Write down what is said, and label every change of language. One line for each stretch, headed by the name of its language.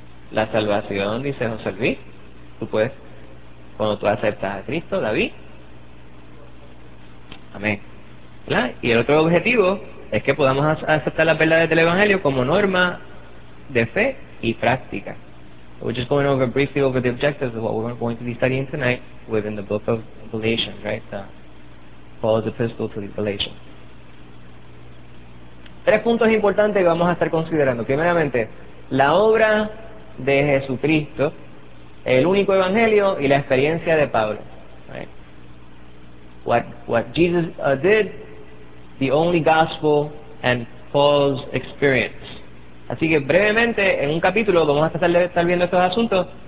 Spanish: La salvación, dice José Luis. Tú puedes, cuando tú aceptas a Cristo, David. Amén. ¿Verdad? Y el otro objetivo es que podamos aceptar las verdades del Evangelio como norma de fe y práctica.
English: We're just going over briefly over the objectives of what we're going to be studying tonight within the book of Galatians, right? Paul's epistle to the Galatians.
Spanish: Tres puntos importantes que vamos a estar considerando. Primeramente, la obra de Jesucristo, el único Evangelio y la experiencia de Pablo.
English: What Jesus did, the only gospel, and Paul's experience.
Spanish: Así que brevemente, en un capítulo, vamos a estar viendo estos asuntos.